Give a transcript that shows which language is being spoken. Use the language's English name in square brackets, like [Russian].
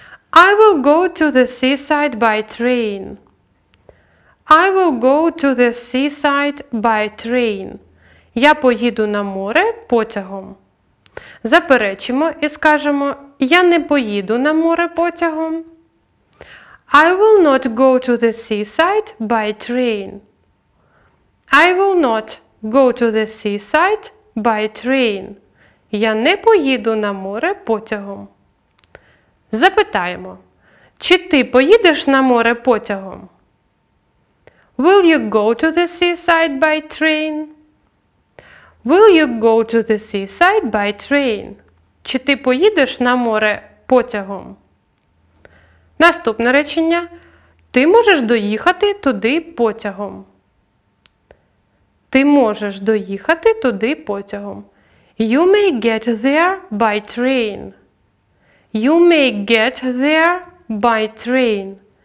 [English] I will go to the seaside by train. I will go to the seaside by train. [Ukrainian] Я поїду на море потягом. Заперечимо і скажемо, я не поїду на море потягом. [English] I will not go to the seaside by train. I will not go to the seaside by train. [Ukrainian] Я не поїду на море потягом. Запитаємо, чи ти поїдеш на море потягом? [English] Will you go to the seaside by train? Will you go to the seaside by train? [Ukrainian] Чи ти поїдеш на море потягом? Наступне речення. Ти можеш доїхати туди потягом. Ти можеш доїхати туди потягом. [English] You may get there by train. You may get there by train.